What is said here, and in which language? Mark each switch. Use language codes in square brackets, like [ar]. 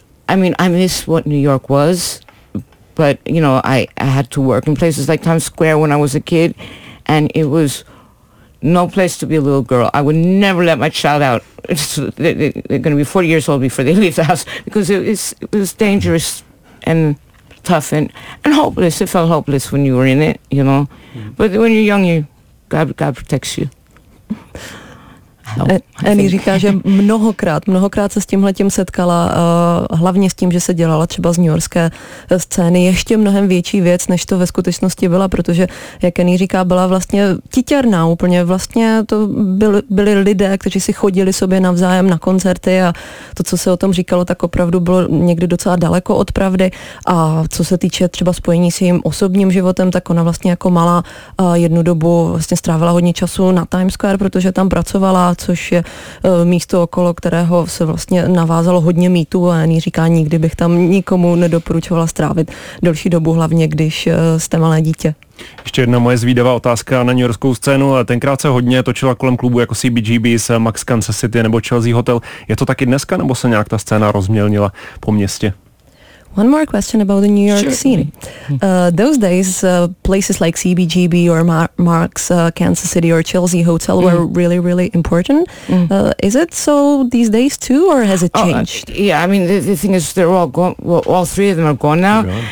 [en] I mean, I miss what New York was, but, I had to work in places like Times Square when I was a kid, and it was no place to be a little girl. I would never let my child out. They're going to be 40 years old before they leave the house, because it was dangerous and tough and hopeless. It felt hopeless when you were in it, But when you're young, God protects you. [cs] Annie říká, že mnohokrát se s tímhletím setkala, hlavně s tím, že se dělala třeba z newyorské scény ještě mnohem větší věc, než to ve skutečnosti byla, protože, jak Annie říká, byla vlastně titěrná úplně, vlastně to byli lidé, kteří si chodili sobě navzájem na koncerty, a to, co se o tom říkalo, tak opravdu bylo někdy docela daleko od pravdy. A co se týče třeba spojení s jejím osobním životem, tak ona vlastně jako malá jednu dobu vlastně strávila hodně času na Times Square, protože tam pracovala. což je místo okolo, kterého se vlastně navázalo hodně mýtů a Annie říká, nikdy bych tam nikomu nedoporučovala strávit delší dobu, hlavně když jste malé dítě. Ještě jedna moje zvídavá otázka na newyorskou scénu. Tenkrát se hodně točila kolem klubů jako CBGBs, Max Kansas City nebo Chelsea Hotel. Je to taky dneska, nebo se nějak ta scéna rozmělnila po městě? [en] One more question about the New York scene. Those days, places like CBGB or Marks, Kansas City or Chelsea Hotel were really, really important. Is it so these days too, or has it changed? Yeah, I mean, the thing is, they're all gone. Well, all three of them are gone now.